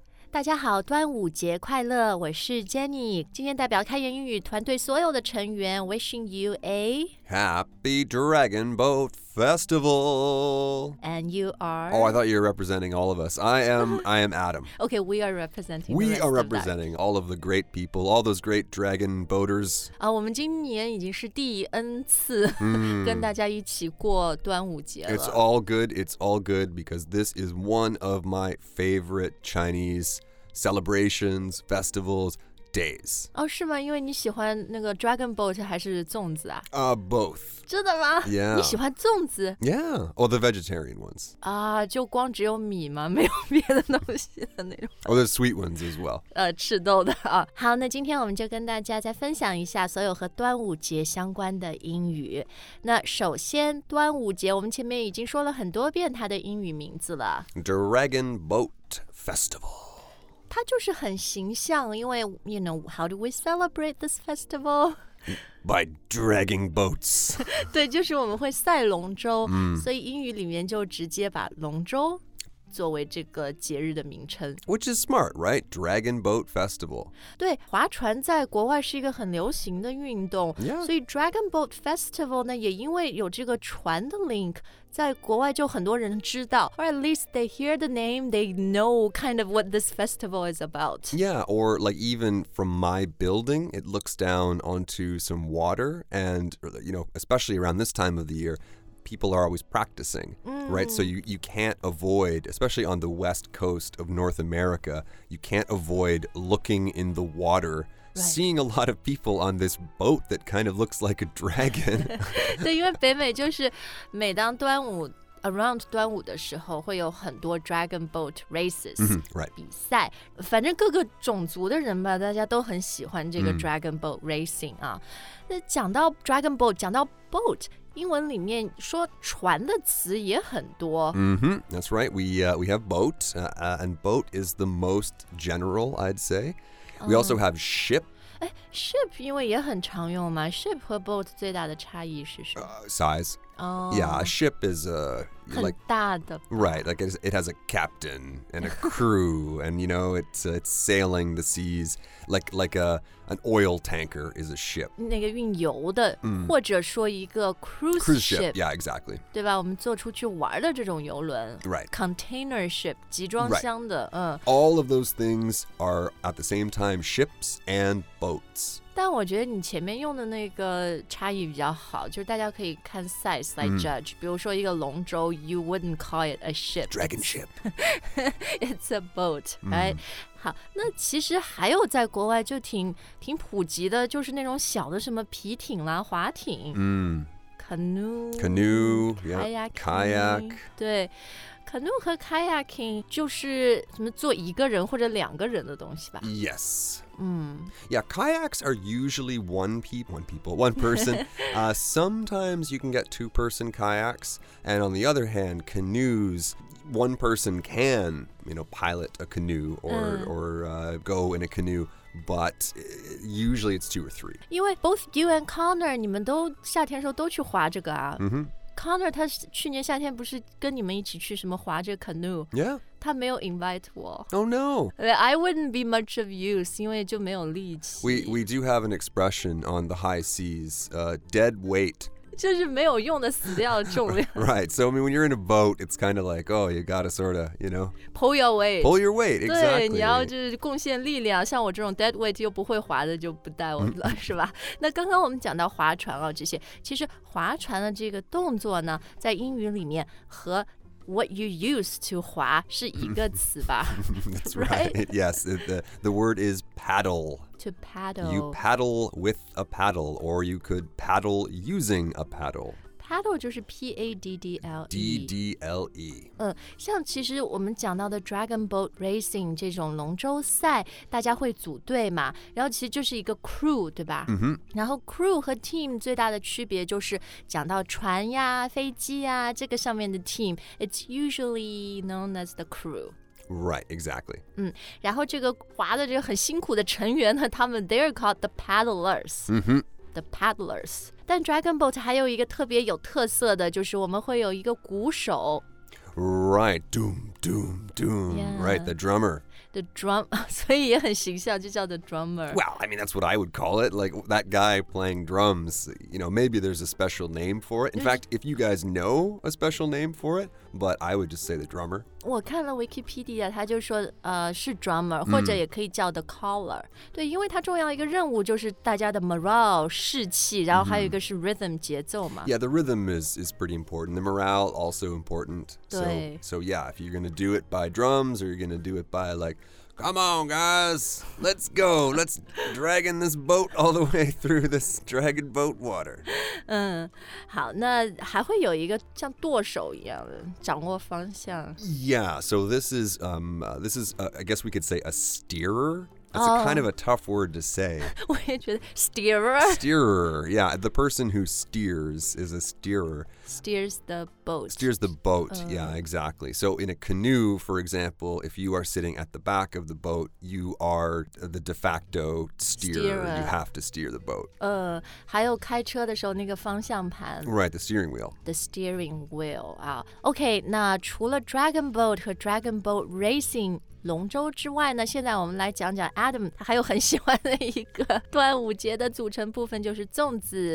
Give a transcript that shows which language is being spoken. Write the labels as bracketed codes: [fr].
[zh] 大家好，端午节快乐，我是 Jenny， 今天代表开言英语团队所有的成员 [en] wishing you a Happy Dragon Boat Festival. And you are? Oh, I thought you were representing all of us. I am Adam. Okay, we are representing We are representing all of the great people, all those great dragon boaters. [zh] 我们今年已经是第 N 次跟大家一起过端午节了。 [en] It's all good, it's all good, because this is one of my favorite Chinese celebrations, festivals,days. [zh] 是吗？因为你喜欢那个 dragon boat 还是粽子啊？ [en] Both. [zh] 真的吗？ [en] Yeah. [zh] 你喜欢粽子？ [en] Yeah. Or the vegetarian ones. [zh] 就光只有米吗？没有别的东西的那种。 [en] Or the sweet ones as well. [zh] 赤豆的啊。好，那今天我们就跟大家再分享一下所有和端午节相关的英语。那首先，端午节我们前面已经说了很多遍它的英语名字了。 [en] Dragon Boat Festival. [zh] 它就是很形象，因为 [en] you know, how do we celebrate this festival? By dragging boats. [zh] 对，就是我们会赛龙舟，所以英语里面就直接把龙舟作为这个节日的名称。 [en] Which is smart, right? Dragon Boat Festival. [zh] 对，划船在国外是一个很流行的运动，所以 Dragon Boat Festival 呢，也因为有这个船的 link,在国外就很多人知道 [en] or at least they hear the name, they know kind of what this festival is about. Yeah, or like even from my building, it looks down onto some water and, you know, especially around this time of the year, people are always practicing, right? So you can't avoid, especially on the west coast of North America, you can't avoid looking in the water, Right. seeing a lot of people on this boat that kind of looks like a dragon. [zh] 对，因为北美就是每当端午 around 端午的时候会有很多 dragon boat races、 [en] right. [zh] 比赛，反正各个种族的人吧，大家都很喜欢这个 dragon boat racing 啊。那讲到 dragon boat， 讲到 boat， 英文里面说船的词也很多。 [en] That's right. We have boat, and boat is the most general, I'd say. We also have ship. [zh] Ship, 因为也很常用嘛。Ship 和 boat 最大的差异是什么？ [en] Size. Yeah, a ship is a... [zh] 很大的。 [en] Right, like it has a captain and a crew, and you know, it's sailing the seas. Like an oil tanker is a ship. [zh] 那个运油的，或者说一个 [en] cruise ship. Yeah, exactly. [zh] 对吧？我们坐出去玩的这种游轮。 [en] Right. Container ship, [zh] 集装箱的。 [en] All of those things are at the same time ships and boats. [zh] 但我觉得你前面用的那个差异比较好，就是大家可以看 size 来 judge。比如说一个龙舟 [en] ，you wouldn't call it a ship. Dragon ship. It's a boat, right? [zh] 好，那其实还有在国外就挺普及的，就是那种小的什么皮艇啦、划艇。 [en] Canoe, kayak. [zh] 对 ，canoe 和 kayaking 就是什么坐一个人或者两个人的东西吧 [en] ？Yes. Yeah, kayaks are usually one person. sometimes you can get two-person kayaks, and on the other hand, canoes, one person can, you know, pilot a canoe or go in a canoe. But usually it's two or three. Because both you and Connor, [zh] 你们都夏天时候都去划这个啊。 Connor 他去年夏天不是跟你们一起去什么划这 canoe? [en] Yeah. [zh] 他没有 invite 我。 [en] Oh no. I wouldn't be much of use, [zh] 因为就没有力气。 [en] We do have an expression on the high seas, dead weight. [zh] 就是没有用的死掉的重量 [en] Right, so I mean when you're in a boat It's kind of like, oh, you gotta sort of, you know Pull your weight, exactly [zh] 对，你要就是贡献力量像我这种 dead weight 又不会划的就不带我了是吧那刚刚我们讲到划船啊这些其实划船的这个动作呢在英语里面和 [en] What you use to [zh] 划是一个词吧 [en] That's right. Yes, the word is paddle. To paddle. You paddle with a paddle, or you could paddle using a paddle. Paddle 就是 P-A-D-D-L-E. D-D-L-E. [zh] 像其实我们讲到的 dragon boat racing 这种龙舟赛，大家会组队嘛，然后其实就是一个 crew, 对吧？然后 crew 和 team 最大的区别就是讲到船呀、飞机呀这个上面的 team, [en] it's usually known as the crew. Right, exactly. [zh] 然后这个划的这个很辛苦的成员呢，他们 [en] they're called the paddlers. The paddlers. [zh] 但 Dragon Boat 还有一个特别有特色的，就是我们会有一个鼓手。 [en] Right, doom, doom, doom. Yeah. Right, the drummer. the drum, 所以也很形象，就叫 the drummer. Well, I mean, that's what I would call it. Like, that guy playing drums, you know, maybe there's a special name for it. In fact, if you guys know a special name for it, but I would just say the drummer. [zh] 我看了 Wikipedia, 他就说是 drummer, 或者也可以叫 the caller. 对，因为他重要一个任务就是大家的 morale, 士气，然后还有一个是 rhythm, 节奏嘛。 [en] Yeah, the rhythm is pretty important. The morale also important. [zh] 对。 [en] So yeah, if you're going to do it by drums or you're going to do it by like, come on guys, let's go, let's dragging this boat all the way through this dragon boat water. [zh] 好，那还会有一个像舵手一样的掌握方向。 [en] Yeah, so this is, I guess we could say a steerer. That's a kind of a tough word to say. [zh] 我也觉得 steerer. [en] Steerer, yeah, the person who steers is a steerer. Steers the boat. Steers the boat, yeah, exactly. So in a canoe, for example, if you are sitting at the back of the boat, you are the de facto steerer. You have to steer the boat. [zh] 还有开车的时候那个方向盘。 [en] Right, the steering wheel. The steering wheel. [zh] Okay, 那除了 dragon boat 和 dragon boat racing,龙舟之外呢，现在我们来讲讲 Adam 他还有很喜欢的一个端午节的组成部分，就是粽子。